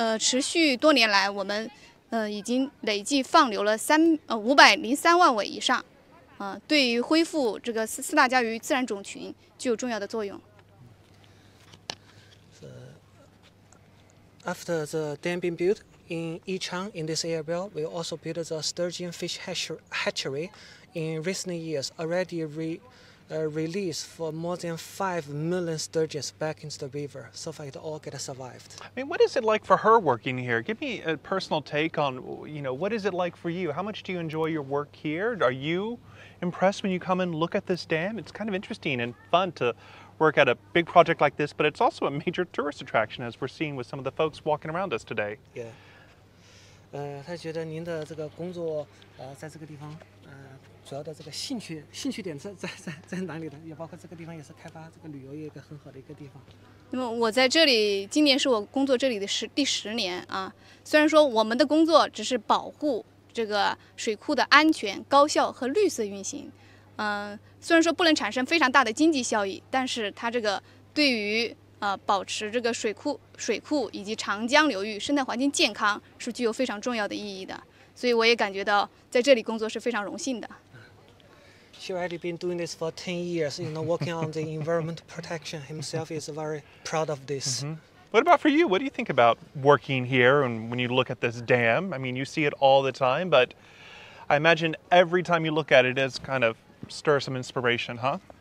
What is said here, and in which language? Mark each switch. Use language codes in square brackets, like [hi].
[zh] 那么除了四大家鱼之外，就是我们对于中华鲟做了哪些的工作来维护这个种群？中华鲟的保护工作，我们第一是开展了这个它的种群的繁殖研究，包括全人工�503只，第二个我们开展了这个四大家鱼的人工增殖放流，那么第三个我们开展了四大家鱼的养殖工作。通过这持续多年来，我们已经累计放流了503万尾以上。对于恢复这个四大家鱼自然种群具有重要的作用。 [en] After the dam being built in Yichang, in this area, we also built the sturgeon fish hatchery. In recent years, already released for more than 5 million sturgeons back into the river. So far, it all get survived. I mean, what is it like for her working here? Give me a personal take on, you know, what is it like for you? How much do you enjoy your work here? Are you impressed when you come and look at this dam? It's kind of interesting and fun to work at a big project like this, but it's also a major tourist attraction, as we're seeing with some of the folks walking around us today. Yeah. [zh] 她觉得您的这个工作，在这个地方，主要的这个兴趣点在哪里呢？也包括这个地方也是开发这个旅游业一个很好的一个地方。那么我在这里，今年是我工作这里的第十年啊。虽然说我们的工作只是保护这个水库的安全、高效和绿色运行，虽然说不能产生非常大的经济效益，但是它这个对于保持这个水库以及长江流域生态环境健康是具有非常重要的意义的，所以我也感觉到在这里工作是非常荣幸的。 [en] She already been doing this for 10 years, you know, working on the environment protection. Himself is very proud of this. Mm-hmm. What about for you? What do you think about working here? And when you look at this dam, I mean, you see it all the time, but I imagine every time you look at it, it's kind of stir some inspiration, huh?